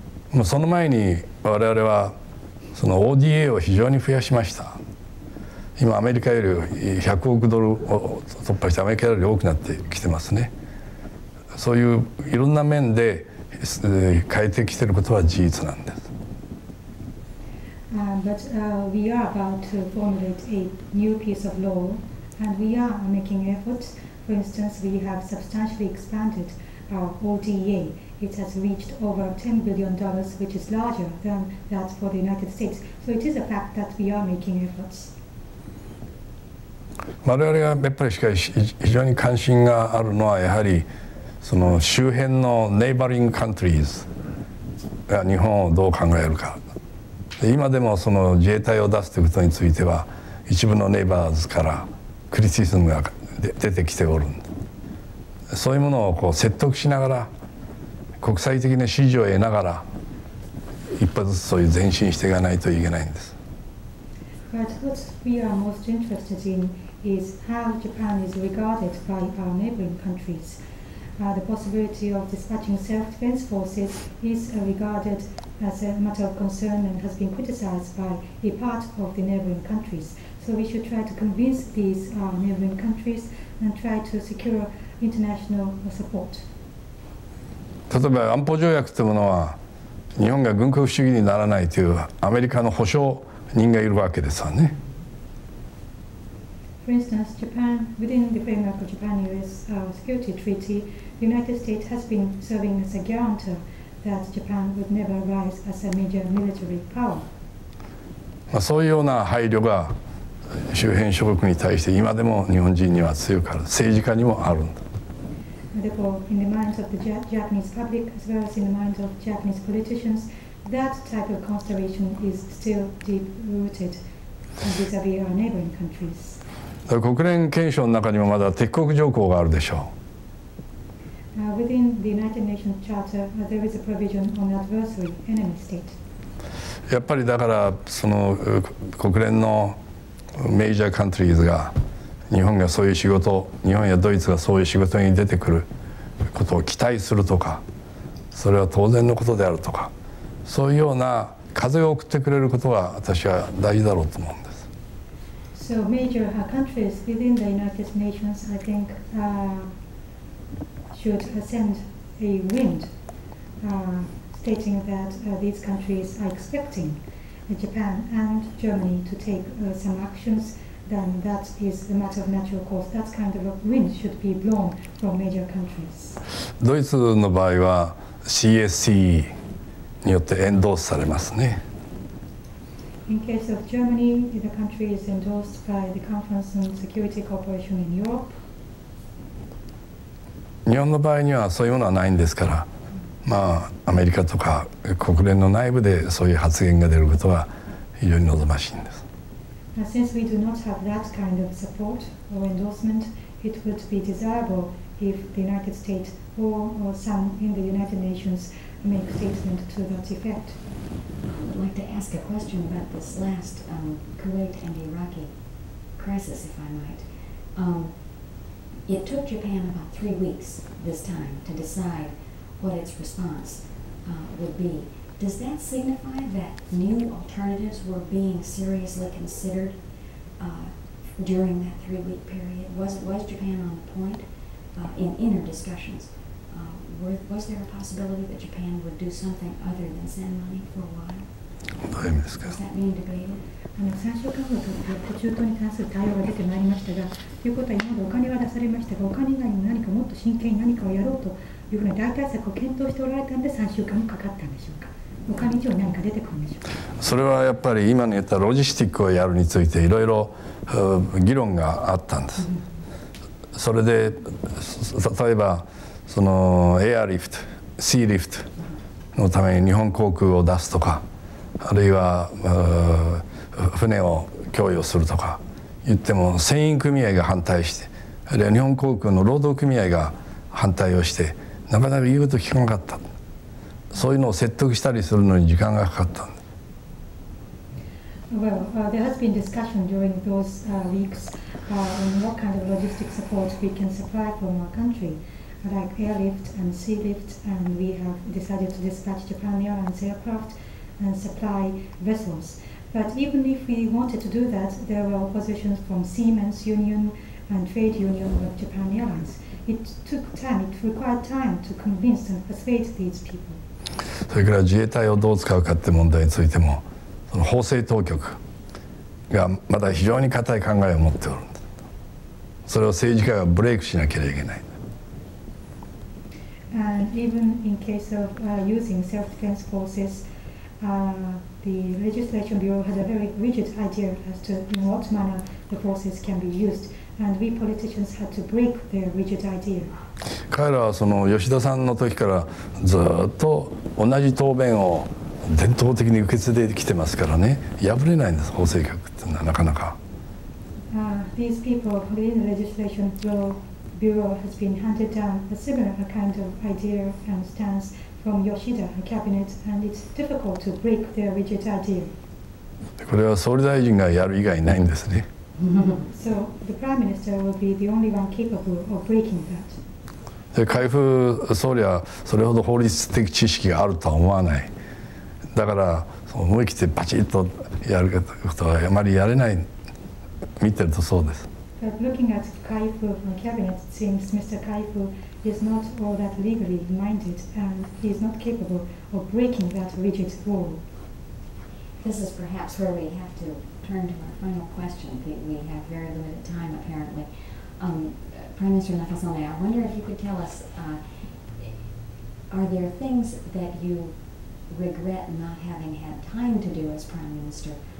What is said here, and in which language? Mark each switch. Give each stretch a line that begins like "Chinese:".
Japanese: もうその前に我々はその ODA を非常に増やしました。今アメリカより100億ドルを突破して、アメリカより多くなってきてますね。そういういろんな面で変えてきてることは事実なんです。
English: But we are about to formulate a new piece of law, and we are making efforts. For instance, we have substantially expanded our ODA. It has reached over $10 billion, which is larger than that for the United States. So it is a fact that we are making efforts.
Japanese: 我々がやっぱりしかし非常に関心があるのは、やはりその周辺の
English: neighboring countries
Japanese: が日本をどう考えるか。今でもその自衛隊を出すということについては、一部のネイバーズからクリティシズムが出てきておる。そういうものをこう説得しながら、国際的な支持を得ながら、一歩ずつそういう前進していかないといけないんです。
English: But what we are most interested in is how Japan is regarded by our neighboring countries. The possibility of dispatching self-defense forces is regarded as a matter of concern and has been criticized by a part of the neighboring countries. So we should try to convince these neighboring countries and try to secure international support.
Japanese: 例えば安保条約というものは、日本が軍国主義にならないというアメリカの保証人がいるわけですわね。
English: For instance, Japan, within the framework of Japan-US security treaty, the United States has been serving as a guarantor that Japan would never rise as a major military power.
Japanese: まあそういうような配慮が周辺諸国に対して今でも日本人には強くある、政治家にもあるんだ。
English: Therefore, in the minds of the Japanese public as well as in the minds of Japanese politicians, that type of consideration is still deep rooted vis-à-vis our neighboring countries.
Japanese: 国連憲章の中にもまだ敵国条項があるでしょう。
English: Within the United Nations Charter, there is a provision on adversary, enemy state.
Japanese: やっぱりだからその国連のメジャーカントリーズが日本がそういう仕事、日本やドイツがそういう仕事に出てくることを期待するとか、それは当然のことであるとか、そういうような風を送ってくれることが私は大事だろうと思うんです。
English: So major countries within the United Nations, I think, should send a wind, stating that these countries are expecting Japan and Germany to take some actions. Then that is a matter of natural course. That kind of a wind should be blown from major countries.
Japanese: ドイツの場合は CSC によって endorsed されますね。
English: In case of Germany, the country is endorsed by the Conference on Security Cooperation in Europe.
Japanese: 日本の場合にはそういうものはないんですから、まあアメリカとか国連の内部でそういう発言が出ることは非常に望ましいんです。
English: Now, since we do not have that kind of support or endorsement, it would be desirable if the United States or some in the United Nations make statement to that effect. I would like to ask a question about this last Kuwait and Iraqi crisis, if I might. It took Japan about 3 weeks this time to decide what its response would be. Does that signify that new alternatives were being seriously considered during that three-week period? Was Japan on the point in inner discussions? Was there a possibility that Japan would do something other than send money for a while? Does that mean debated?
Japanese: 最終価格と中東に関する対応が出てまいりましたが、ということは今までお金は出されましたが、お金以外に何かもっと真剣に何かをやろうというふうに大対策を検討しておられたんで3週間もかかったんでしょうか。お金以上に何か出てくるんでしょうか。それはやっぱり今の言ったロジスティックをやるについていろいろ議論があったんです。それで例えばそのエアリフト、シーリフトのために日本航空を出すとか、あるいは船を供与するとか言っても船員組合が反対して、あるいは日本航空の労働組合が反対をして、なかなか言うと聞かなかった。そういうのを説得したりするのに時間がかかったんで。
English: Well, there has been discussion during those weeks on what kind of logistic support we can supply from our country, like airlift and sea lift, and we have decided to dispatch Japan Airlines aircraft and supply vessels. But even if we wanted to do that, there were oppositions from Siemens Union and Trade Union of Japan Airlines. It took time, it required time to convince and persuade these people.
Japanese: それから自衛隊をどう使うかって問題についても、その法制当局がまだ非常に固い考えを持っておるんだ。それを政治家がブレイクしなければいけない。
English: And even in case of using self-defense forces,the Legislation Bureau has a very rigid idea as to in what manner the forces can be used, and we politicians had to break their rigid idea.
Japanese: 彼らはその吉田さんの時からずっと同じ答弁を伝統的に受け継いできてますからね、破れないんです、法制局ってのはなかなか。
English: These people within the Legislation Bureau has been handed down a similar kind of idea and stance. From Yoshida cabinet, and it's difficult to break their rigid idea.
Japanese: これは総理大臣がやる以外ないんですね。
English: So the Prime Minister will be the only one capable of breaking that.
Japanese: で、海部総理はそれほど法律的知識があるとは思わない。だから思い切ってバチッとやることはあまりやれない。見てるとそうです。
English: But looking at Kaifu from cabinet, it seems Mr. Kaifu. Is not all that legally minded, and he is not capable of breaking that rigid rule. This is perhaps where we have to turn to our final question. We have very limited time, apparently. Prime Minister Nakasone, I wonder if you could tell us: are there things that you regret not having had time to do as Prime Minister?